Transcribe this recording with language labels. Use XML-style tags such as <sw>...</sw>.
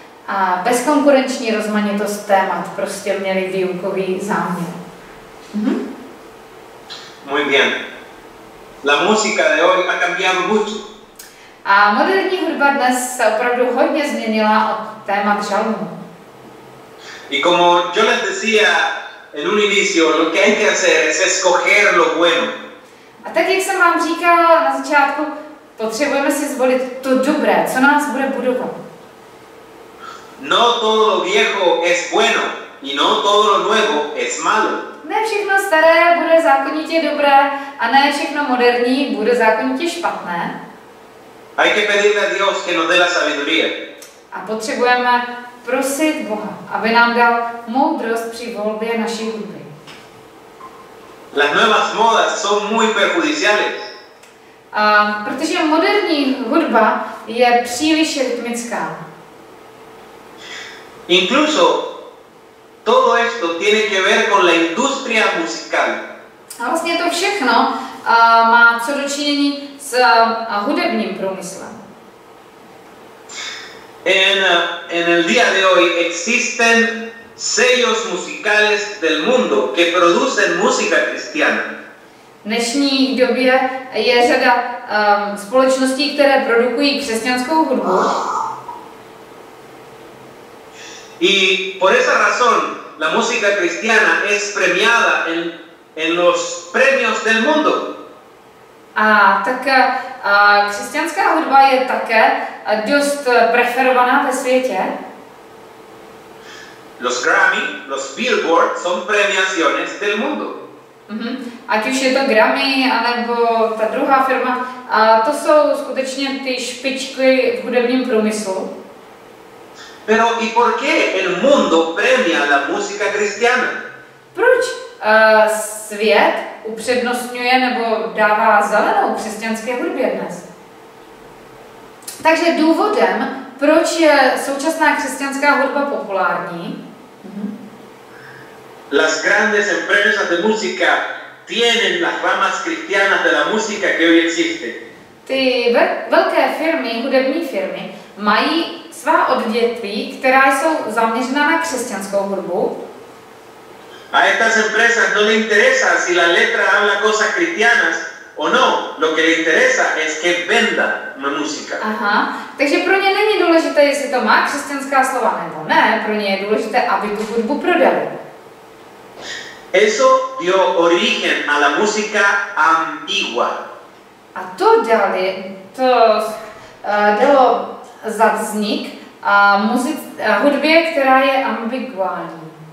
<cs>A bezkonkurenční rozmanitost témat prostě měly výukový záměr.</cs> <es>Muy bien. La música de hoy ha cambiado mucho.</es> <cs>A moderní hudba dnes se opravdu hodně změnila od témat žalmu.</cs> <es>Y como yo les decía en un inicio, lo que hay que hacer es escoger lo bueno.</es> <cs>A tak, jak jsem vám říkal na začátku, potřebujeme si zvolit to dobré, co nás bude budovat.</cs> <es>No todo lo viejo es bueno y no todo lo nuevo es malo.</es> <cs>Ne všechno staré bude zákonitě dobré a ne všechno moderní bude zákonitě špatné.</cs> <es>Hay que pedirle a Dios que nos dé la sabiduría.</es> <cs>A potřebujeme prosit Boha, aby nám dal moudrost při volbě naší hudby.</cs> <es>Las nuevas modas son muy perjudiciales.</es> <cs>Protože moderní hudba je příliš rytmická.</cs> <es>Incluso todo esto tiene que ver con la industria musical.</es> <cs>A vlastně to všechno má co dočinění s hudebním průmyslem.</cs> <es>En el día de hoy existen sellos musicales del mundo que producen música cristiana.</es> <cs>V dnešní době je řada společností, které produkují křesťanskou hudbu.</cs> <es>Y por esa razón la música cristiana es premiada en los premios del mundo.</es> <cs>A tak křesťanská hudba je také dost preferovaná ve světě.</cs> <es>Los Grammy, los Billboard son premiaciones del mundo.</es> <cs>Ať už je to Grammy, anebo ta druhá firma, a to jsou skutečně ty špičky v hudebním průmyslu.</cs> <es>Pero ¿y por qué el mundo premia la música cristiana?</es> <cs>Proč svět upřednostňuje nebo dává zelenou křesťanské hudbě dnes? Takže důvodem, proč je současná křesťanská hudba populární?</cs> <es>Las grandes empresas de música tienen las ramas cristianas de la música que hoy existe.</es> <cs>Ty velké firmy, hudební firmy, mají svá odvětví, která jsou zaměřena na křesťanskou hudbu.</cs> <es>A estas empresas no le interesa si la letra habla cosas cristianas o no. Lo que le interesa es que venda la música.</es> <cs>Aha, takže pro ně není důležité, jestli to má křesťanská slova nebo ne. Pro ně je důležité, aby tu hudbu prodali.</cs> <es>Eso dio origen a la música ambigua.</es> <cs>A to dali, to dalo za vznik hudbě, která je ambiguální.</cs>